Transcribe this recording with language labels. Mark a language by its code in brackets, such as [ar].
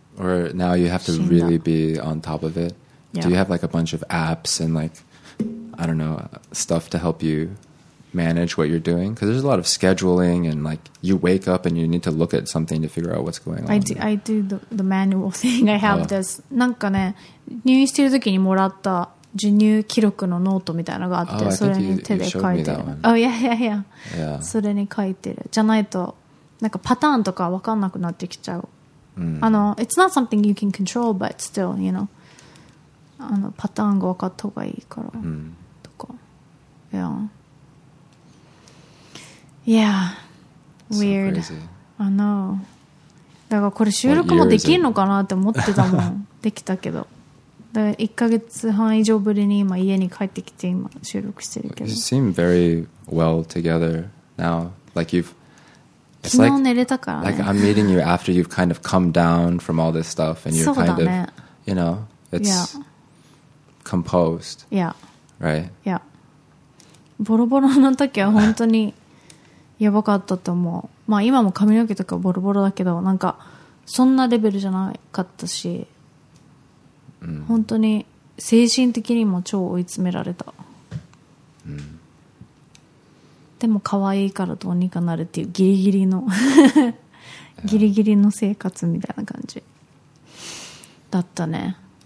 [en] Or now you have to really be on top of it. Yeah. Do you have like a bunch of apps and like, I don't know, stuff to help you manage what you're doing? Because there's a lot of scheduling and like you wake up and you need to look at something to figure out what's going on. I do the manual thing. I have this. [ja] なんかね、入院してる時にもらった授乳記録のノートみたいなのがあって、 oh, それに手で書いてる。Oh, yeah, yeah, yeah. [en] Yeah. [ja] それに書いてる。じゃないと、なんかパターンとか分かんなくなってきちゃう。 [en] It's not something you can control, but still, you know. [ja] あの、パターンが分かった方がいいから。とか。 [en] Yeah. Weird. So crazy. I know. [ja] だからこれ収録もできるのかなって思ってたもん。できたけど。だから1ヶ月半以上ぶりに今家に帰ってきて今収録してるけど [en] You seem very well together now Like you've [ja] 昨日寝れたからね [en] Like I'm meeting you after you've kind of come down from all this stuff And you're kind of You know It's composed Yeah Right [ja] Yeah ボロボロの時は本当にやばかったと思うまあ今も髪の毛とかボロボロだけどなんかそんなレベルじゃなかったし本当に精神的にも超追い詰められた、でも可愛いからどうにかなるっていうギリギリのギリギリの生活みたいな感じだったね、